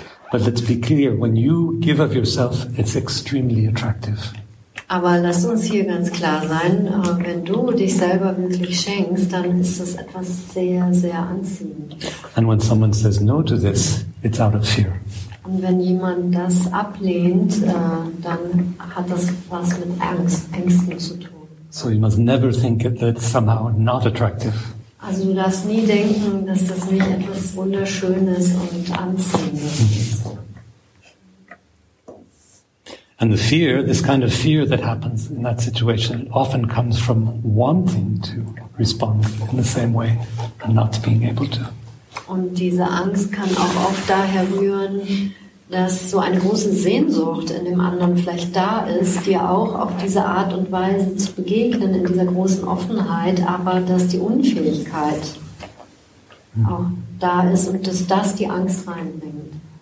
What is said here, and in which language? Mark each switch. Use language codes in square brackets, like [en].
[en] But let's be clear, when you give of yourself, it's extremely attractive. [de] Aber lass uns hier ganz klar sein, wenn du dich selber wirklich schenkst, dann ist das etwas sehr, sehr anziehend. [en] And when someone says no to this, it's out of fear. [de] Und wenn jemand das ablehnt, dann hat das was mit Ängsten zu tun. [en] So you must never think that it's somehow not attractive. [de] Also du darfst nie denken, dass das nicht etwas Wunderschönes und Anziehendes ist. [en] And the fear, this kind of fear that happens in that situation, often comes from wanting to respond in the same way and not being able to. [de] Und diese Angst kann auch oft daher rühren, dass so eine große Sehnsucht in dem anderen vielleicht da ist, dir auch auf diese Art und Weise zu begegnen, in dieser großen Offenheit, aber dass die Unfähigkeit auch da ist und dass das die Angst reinbringt.